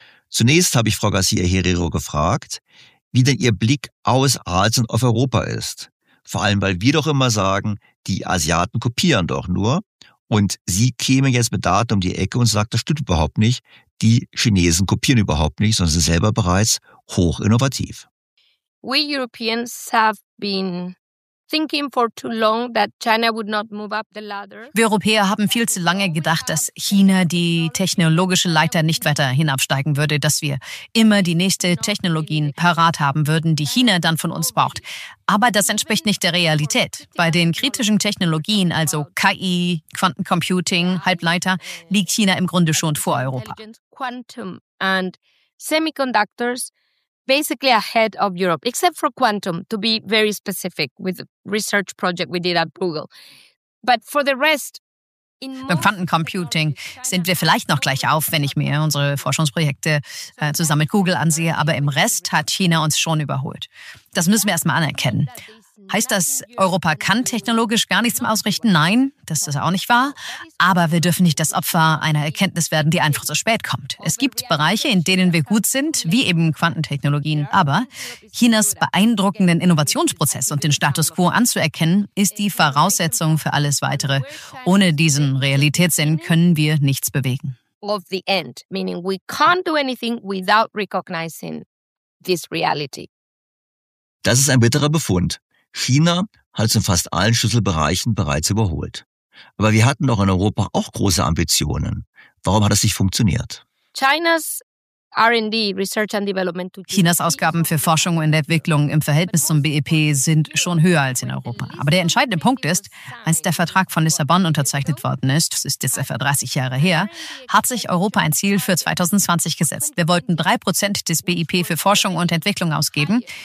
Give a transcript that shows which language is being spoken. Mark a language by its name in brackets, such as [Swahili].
[German] Zunächst habe ich Frau Garcia Herrero gefragt, wie denn ihr Blick aus Asien auf Europa ist. Vor allem, weil wir doch immer sagen, die Asiaten kopieren doch nur. Und sie kämen jetzt mit Daten um die Ecke und sagt, das stimmt überhaupt nicht. Die Chinesen kopieren überhaupt nicht, sondern sind selber bereits hochinnovativ. [English] We Europeans have been thinking for too long that China would not move up the ladder. [German] Wir Europäer haben viel zu lange gedacht, dass China die technologische Leiter nicht weiter hinabsteigen würde, dass wir immer die nächste Technologien parat haben würden, die China dann von uns braucht. Aber das entspricht nicht der Realität. Bei den kritischen Technologien, also KI, Quantencomputing, Halbleiter, liegt China im Grunde schon vor Europa. [English] Quantum and semiconductors. Basically ahead of Europe, except for quantum, to be very specific, with the research project we did at Google. But for the rest, [German] in beim Quantencomputing sind wir vielleicht noch gleich auf, wenn ich mir unsere Forschungsprojekte zusammen mit Google ansehe. Aber im Rest hat China uns schon überholt. Das müssen wir erstmal anerkennen. Heißt das, Europa kann technologisch gar nichts mehr ausrichten? Nein, das ist auch nicht wahr. Aber wir dürfen nicht das Opfer einer Erkenntnis werden, die einfach so spät kommt. Es gibt Bereiche, in denen wir gut sind, wie eben Quantentechnologien. Aber Chinas beeindruckenden Innovationsprozess und den Status quo anzuerkennen, ist die Voraussetzung für alles Weitere. Ohne diesen Realitätssinn können wir nichts bewegen. [English] Of the end, meaning we can't do anything without recognizing this reality. [German] Das ist ein bitterer Befund. China hat es in fast allen Schlüsselbereichen bereits überholt. Aber wir hatten doch in Europa auch große Ambitionen. Warum hat es nicht funktioniert? [English] China's R&D, Research and Development. [German] Chinas Ausgaben für Forschung und Entwicklung im Verhältnis zum BIP sind schon höher als in Europa. Aber der entscheidende Punkt ist, als der Vertrag von Lissabon unterzeichnet worden ist, das ist jetzt etwa 30 Jahre her, hat sich Europa ein Ziel für 2020 gesetzt. Wir wollten 3% des BIP für Forschung und Entwicklung ausgeben.